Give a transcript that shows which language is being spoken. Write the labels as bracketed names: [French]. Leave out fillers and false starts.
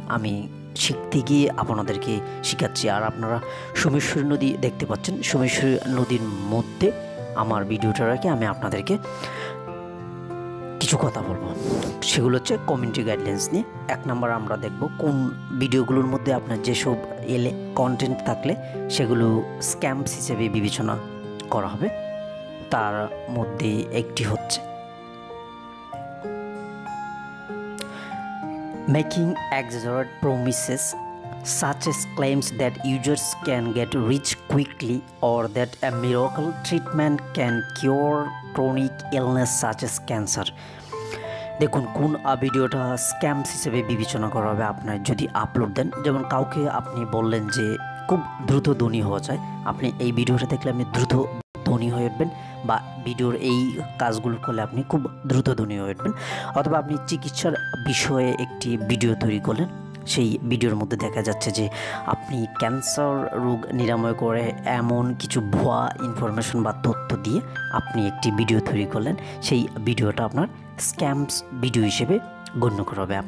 [Bangla] আমি শিখতে গিয়ে আপনাদেরকে শেখাচ্ছি। আর আপনারা সোমেশ্বরী নদী দেখতে পাচ্ছেন, সোমেশ্বরী নদীর মধ্যে আমার ভিডিওটা রাখে আমি আপনাদেরকে কিছু কথা বলবো, সেগুলো হচ্ছে কমিউনিটি গাইডলাইন্স নিয়ে। এক নম্বর আমরা দেখব কোন ভিডিওগুলোর মধ্যে আপনার যেসব এলে কন্টেন্ট থাকলে সেগুলো স্ক্যামস হিসেবে বিবেচনা করা হবে। তার মধ্যে একটি হচ্ছে [English] making exaggerated promises such as claims that users can get rich quickly or that a miracle treatment can cure chronic illness such as cancer. [Bangla] দেখুন কোন ভিডিওটা স্ক্যামস হিসেবে বিবেচনা করা হবে আপনার যদি আপলোড দেন। যেমন কাউকে আপনি বললেন যে খুব দ্রুত ধনী হওয়া যায়, আপনি এই ভিডিওটা দেখলে আপনি দ্রুত ধনী হয়ে উঠবেন, বা ভিডিওর এই কাজগুলো করলে আপনি খুব দ্রুত ধনী হয়ে উঠবেন, অথবা আপনি চিকিৎসার বিষয়ে একটি ভিডিও তৈরি করলেন, সেই ভিডিওর মধ্যে দেখা যাচ্ছে যে আপনি ক্যান্সার রোগ নিরাময় করে এমন কিছু ভুয়া ইনফরমেশন বা তথ্য দিয়ে আপনি একটি ভিডিও তৈরি করলেন, সেই ভিডিওটা আপনার স্ক্যামস ভিডিও হিসেবে গণ্য করা হবে।